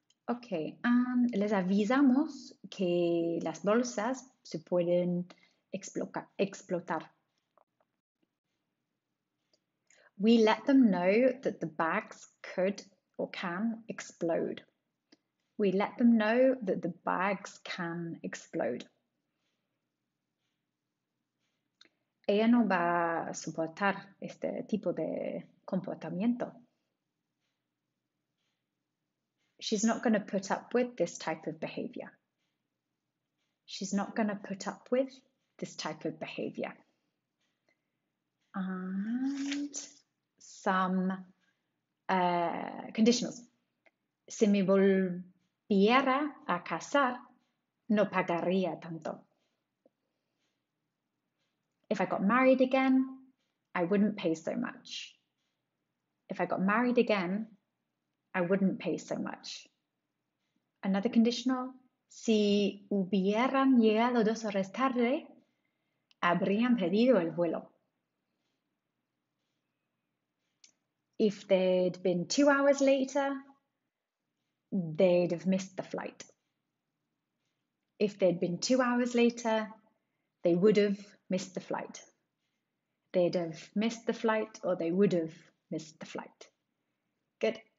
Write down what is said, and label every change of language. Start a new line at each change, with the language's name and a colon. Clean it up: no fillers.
English: Okay, and
Spanish: les avisamos que las bolsas se pueden explotar.
English: We let them know that the bags could or can explode. We let them know that the bags can explode.
Spanish: Ella no va a soportar este tipo de comportamiento.
English: She's not going to put up with this type of behavior. She's not going to put up with this type of behavior. And some conditionals.
Spanish: Si me volviera a casar, no pagaría tanto.
English: If I got married again, I wouldn't pay so much. If I got married again, I wouldn't pay so much. Another conditional.
Spanish: Si hubieran llegado 2 horas tarde, habrían perdido el vuelo.
English: If they'd been 2 hours later, they'd have missed the flight. If they'd been 2 hours later, they would have missed the flight. They'd have missed the flight, or they would have missed the flight. Good.